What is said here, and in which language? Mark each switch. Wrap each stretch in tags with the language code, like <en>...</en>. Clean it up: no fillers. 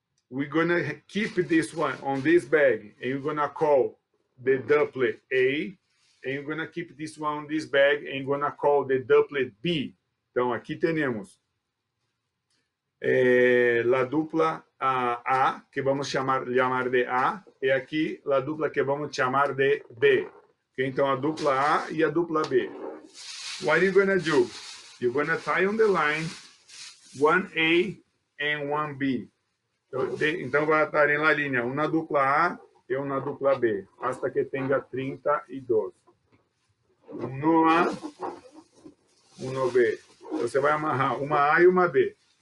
<en>We're gonna keep this one on this bag and you're gonna call the duplet A. And you're gonna keep this one on this bag and you're gonna call the duplet B.</en> <pt>Então, aqui temos a dupla A, que vamos chamar de A, e aqui a dupla que vamos chamar de B. Okay? Então, a dupla A e a dupla B.</pt> <en>What are you going to do? You're going to tie on the line 1A and one B.</en> <pt>Então vai estar em la linha, uma dupla A e uma dupla B, hasta que tenha 32.</pt> <es>Uno A, uno B.</es> <pt>Você vai amarrar uma A e uma B.</pt>